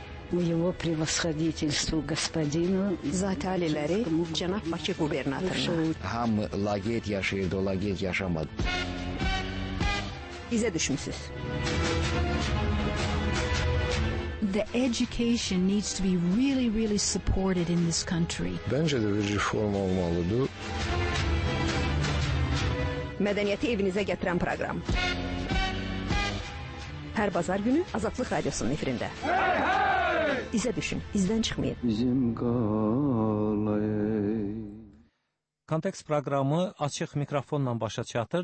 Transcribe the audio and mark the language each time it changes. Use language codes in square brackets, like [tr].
[ru] Его превосходительству господину [az] Затәлиләре, Cənab Bakı qubernatoruna. Həm laqeyd yaşayır, o laqeyd yaşamadı. Bizə düşmüsüz. [en] The education needs to be really, really supported in this country. [tr] Bence de bir reform olmalıdır. [az] Mədəniyyəti evinizə gətirən proqram. Hər bazar günü Azadlıq Radiosunun efirində. Hey, hey! İzə düşün, izdən çıxmayın. Bizim qalayı. Kontekst proqramı açıq mikrofonla başa çatır.